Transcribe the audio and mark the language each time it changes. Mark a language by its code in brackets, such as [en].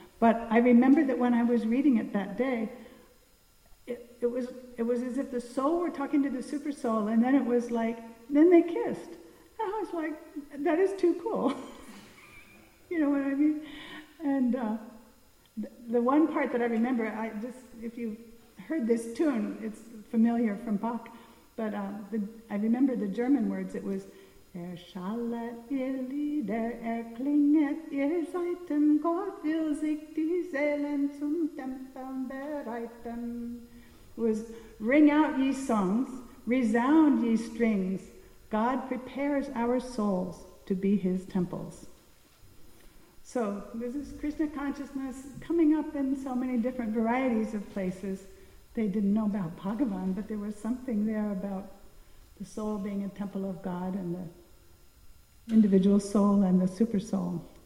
[en] But I remember that when I was reading it that day, it was as if the soul were talking to the super soul, and then it was like, then they kissed. And I was like, that is too cool. You know what I mean? And the one part that I remember, if you heard this tune, it's familiar from Bach, but I remember the German words. [de] It was Schallet ihr Lieder, erklinget ihr Seiten, Gott will sich die Seelen zum Tempel bereiten. [en] It was ring out ye songs, resound ye strings, God prepares our souls to be his temples. So this is Krishna consciousness coming up in so many different varieties of places. They didn't know about Bhagavan, but there was something there about the soul being a temple of God and the individual soul and the super soul.